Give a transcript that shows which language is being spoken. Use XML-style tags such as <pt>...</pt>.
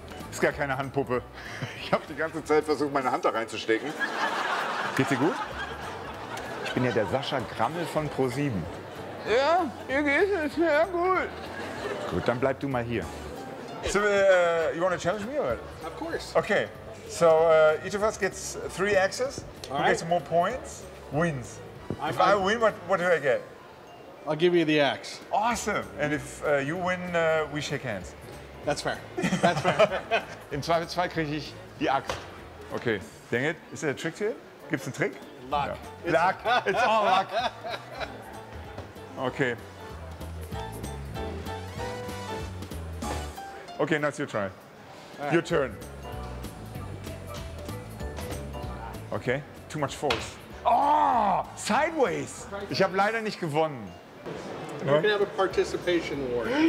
<de>Ist gar keine Handpuppe. Ich habe die ganze Zeit versucht, meine Hand da reinzustecken. Geht's dir gut? Ich bin ja der Sascha Grammel von ProSieben. Ja, hier geht es. Ja, gut. Gut, dann bleib du mal hier.</de> <en>So, you want to challenge me? Or? Of course. Okay. So, each of us gets three axes. Who gets more points wins. If I win, what do I get? I'll give you the axe. Awesome. And if you win, we shake hands. That's fair. That's fair.</en> <de>Im Zweifelsfall kriege ich die Axt.</de> <en>Okay, dang it.</en> <de>Ist der Trick hier? Gibt es einen Trick?</de> <en>Luck. Ja. Luck. It's all luck. Okay. Okay, now it's your try. Right. Your turn. Okay, too much force. Oh, sideways.</en> <de>Ich habe leider nicht gewonnen.</de> <en>We can have a participation award.</en>